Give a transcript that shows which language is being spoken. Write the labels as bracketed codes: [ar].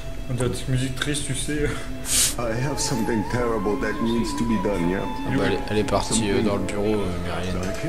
[fr] On dirait une musique triste, tu sais. [en] I have something terrible that needs to be done, yeah. [fr] Ah bah elle est partie dans le bureau, Myriam.